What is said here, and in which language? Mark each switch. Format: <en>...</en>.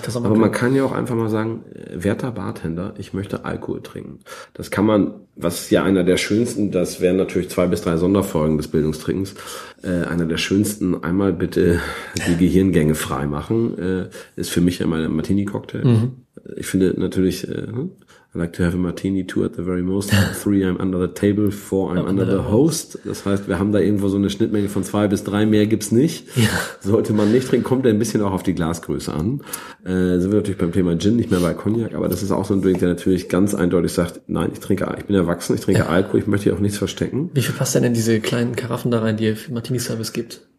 <de>Aber man kann ja auch einfach mal sagen, werter Bartender, ich möchte Alkohol trinken. Das kann man, was ist ja einer der schönsten, das wären natürlich 2 bis 3 Sonderfolgen des Bildungstrinkens, einer der schönsten, einmal bitte die Gehirngänge freimachen, ist für mich einmal ein Martini-Cocktail. Mhm. Ich finde natürlich,</de> <en>I like to have a martini, 2 at the very most, 3 I'm under the table, 4 I'm under the host.</en> <de>Das heißt, wir haben da irgendwo so eine Schnittmenge von 2 bis 3, mehr gibt's nicht. Ja. Sollte man nicht trinken, kommt ja ein bisschen auch auf die Glasgröße an. Sind wir natürlich beim Thema Gin, nicht mehr bei Cognac, aber das ist auch so ein Drink, der natürlich ganz eindeutig sagt, nein, ich bin erwachsen, ich trinke Alkohol, ich möchte hier auch nichts verstecken. Wie viel passt denn in diese kleinen Karaffen da rein, die ihr für Martini-Service gibt?</de>